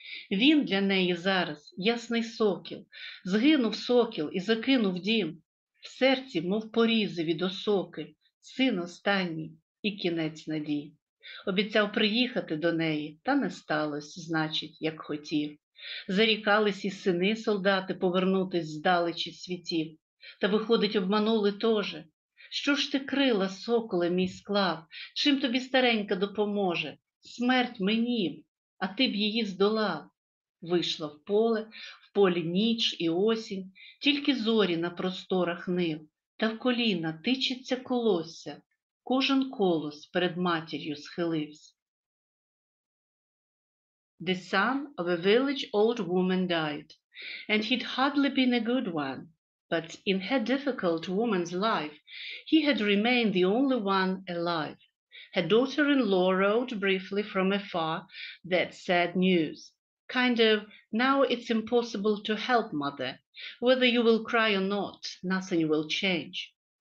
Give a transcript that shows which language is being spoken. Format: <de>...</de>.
<uk>Він для неї зараз ясний сокіл, згинув сокіл і закинув дім, в серці, мов порізи від осоки, син останній і кінець надій. Обіцяв приїхати до неї, та не сталося, значить, як хотів. Зарікались і сини солдати повернутись здалечі світів. Та, виходить, обманули тоже. Що ж ти крила, соколе, мій склав? Чим тобі старенька допоможе? Смерть мені, а ти б її здолав. Вийшла в поле ніч і осінь, тільки зорі на просторах нив. Та в коліна тичиться колосся, кожен колос перед матір'ю схилився.</uk> <en>The son of a village old woman died, and he'd hardly been a good one, but in her difficult woman's life, he had remained the only one alive. Her daughter-in-law wrote briefly from afar that sad news, kind of, now it's impossible to help, mother, whether you will cry or not, nothing will change.</en>